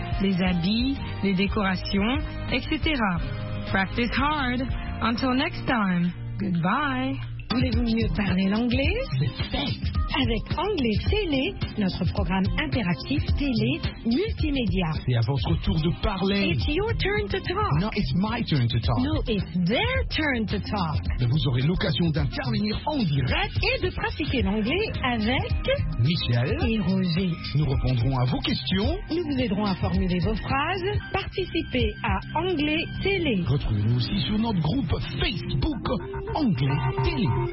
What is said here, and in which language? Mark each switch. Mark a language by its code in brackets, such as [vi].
[fr] Les habits, les décorations, etc. [en] Practice hard. Until next time. Goodbye. [fr] Voulez-vous mieux parler l'anglais? Avec Anglais Télé, notre programme interactif télé multimédia. C'est à votre tour de parler. [en] It's your turn to talk. No, it's my turn to talk. No, it's their turn to talk. [fr] Mais vous aurez l'occasion d'intervenir en direct et de pratiquer l'anglais avec Michel et Roger. Nous répondrons à vos questions. Nous vous aiderons à formuler vos phrases. Participez à Anglais Télé. Retrouvez-nous aussi sur notre groupe Facebook Anglais Télé.